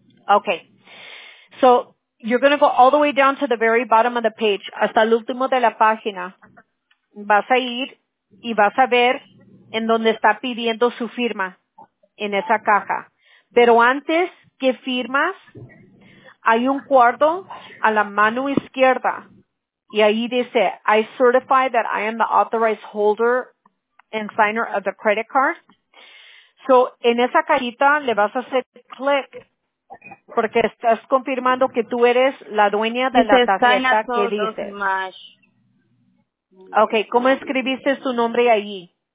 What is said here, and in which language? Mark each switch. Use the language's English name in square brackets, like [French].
[English] Okay, so you're going to go all the way down to the very bottom of the page, [Spanish] hasta el último de la página. Vas a ir y vas a ver en donde está pidiendo su firma. En esa caja. Pero antes que firmas, hay un cuarto a la mano izquierda. Y ahí dice, [English] I certify that I am the authorized holder and signer of the credit card. [Spanish] So, en esa cajita le vas a hacer click porque estás confirmando que tú eres la dueña de la tarjeta que dice. Okay, ¿cómo escribiste su nombre ahí?